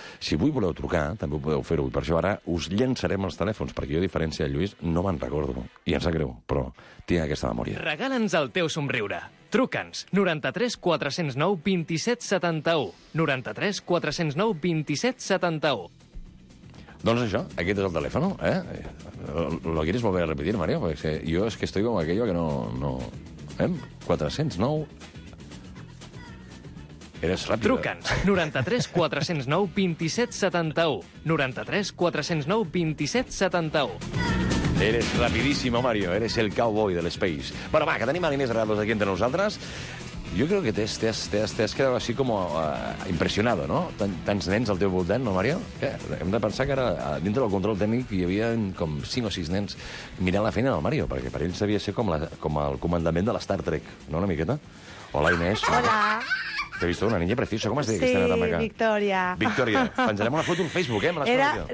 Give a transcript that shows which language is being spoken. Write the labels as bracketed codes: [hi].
[ca] Si avui voleu trucar, també ho podeu fer avui. Per això ara us llençarem els telèfons, perquè jo, a diferència de Lluís, no me'n recordo. I em sap greu, però tinc aquesta memòria. Regala'ns el teu somriure. Truca'ns. 93-409-2771. 93-409-2771. Doncs això, aquest és el telèfon, eh? [es] ¿Lo quieres volver a repetir, Mario? Porque yo es que estoy como aquello que no... ¿Eh? 409... Eres ràpid. [ca] Truca'ns. 93-409-2771. 93-409-2771. [es] Eres rapidísimo, Mario. Eres el cowboy del space. [ca] Bueno, va, que tenim a Inés Granados aquí entre nosaltres. [es] Yo creo que te has quedado así como impresionado, ¿no? [ca] Tants nens al teu voltant, no, Mario? Què? Hem de pensar que ara, dintre del control tècnic, hi havia com 5 o 6 nens mirant la feina del Mario, perquè per ells devia ser com el comandament de la Star Trek, no, una miqueta? Hola, Inés. Hola. T'he vist una nena preciosa. Com es deia, sí, aquesta nena maca? Sí, Victòria. Victòria. Penjarem una foto al Facebook, eh?